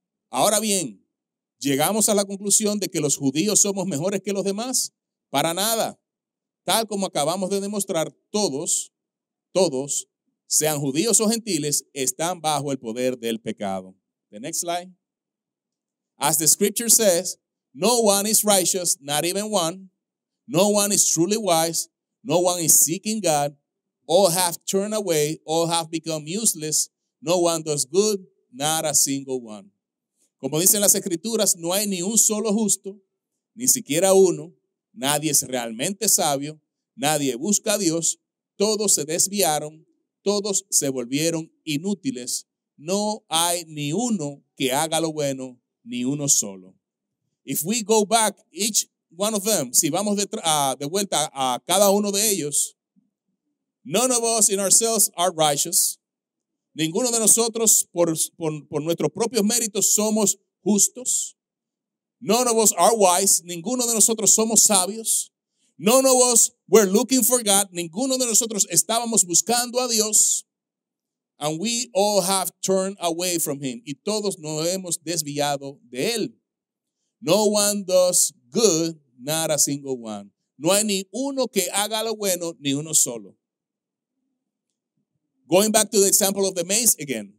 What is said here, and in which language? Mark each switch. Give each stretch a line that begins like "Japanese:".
Spanish: Ahora bien, ¿llegamos a la conclusión de que los judíos somos mejores que los demás? Para nada. Tal como acabamos de demostrar, todos, sean judíos o gentiles, están bajo el poder del pecado.
English: The next slide. As the scripture says, no one is righteous, not even one. No one is truly wise. No one is seeking God. All have turned away. All have become useless. No one does good, not a single one.
Spanish: Como dicen las escrituras, no hay ni un solo justo, ni siquiera uno. Nadie es realmente sabio. Nadie busca a Dios. Todos se desviaron. Todos se volvieron inútiles. No hay ni uno que haga lo bueno, ni uno solo.
English: If we go back, each one of them,
Spanish: si vamos de vuelta a cada uno de ellos,
English: none of us in ourselves are righteous.
Spanish: Ninguno de nosotros por nuestros propios méritos somos justos.
English: None of us are wise.
Spanish: Ninguno de nosotros somos sabios.
English: None of us were looking for God.
Spanish: Ninguno de nosotros estábamos buscando a Dios.
English: And we all have turned away from him.
Spanish: Y todos nos hemos desviado de él.
English: No one does good, not a single one.
Spanish: No hay ni uno que haga lo bueno, ni uno solo.
English: Going back to the example of the maze again.